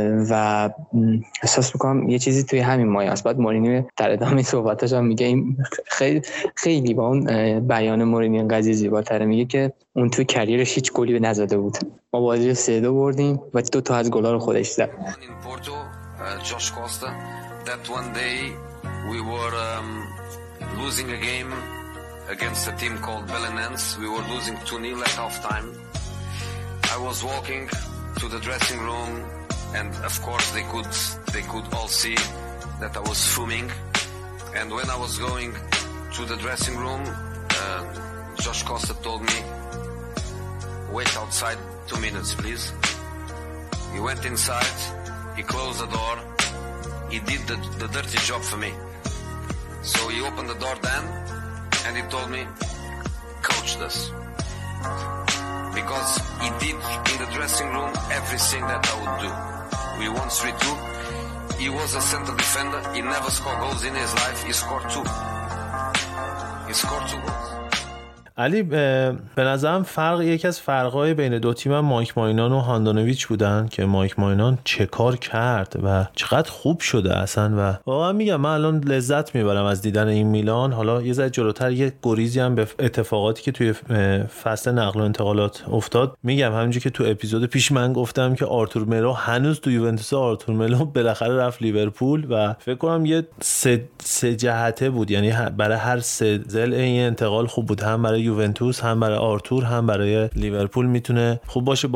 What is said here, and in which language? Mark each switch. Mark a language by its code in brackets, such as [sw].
[fa] و احساس میکنم یه چیزی توی همین مایه است. بعد مورینیو در ادامه صحبتش هم میگه خیلی با اون بیان مورینیو قضیه زیباتره، میگه که اون توی کریرش هیچ گلی به نزده بود، ما بازی رو 3-2 بردیم و 2 تا از گلا رو خودش زد. [en] In Porto, Josh Costa, that one day we were losing a game against a team called Belenenses. We were losing 2-0 at halftime. I was walking to the dressing room and of course they could all see that I was fuming. And when I was going to the dressing room, Josh Costa told me, wait outside 2 minutes, please. He went inside, he closed the door, he did the dirty job for me. So he opened the door then, and he told me, coach this. Because he did in the dressing room everything that I would do. We won 3-2, he was a center defender, he never scored goals in his life, he scored two goals. [fa] علی به نظرم فرق، یکی از فرقهای بین دو تیم هم مایک ماینان و هاندانویچ بودن، که مایک ماینان چه کار کرد و چقدر خوب شده اصلا. و واقعا میگم من الان لذت میبرم از دیدن این میلان. حالا یه ذره جلوتر یه گریزی هم به اتفاقاتی که توی فصل نقل و انتقالات افتاد میگم، همینجوری که تو اپیزود پیش من گفتم که آرتور ملو هنوز تو یوونتوس، آرتور ملو بالاخره رفت لیورپول و فکر کنم یه سه جهته بود، یعنی برای هر سه ضلع این انتقال خوب بود، هم برای یوونتوس، هم برای آرتور، هم برای لیورپول میتونه خوب باشه.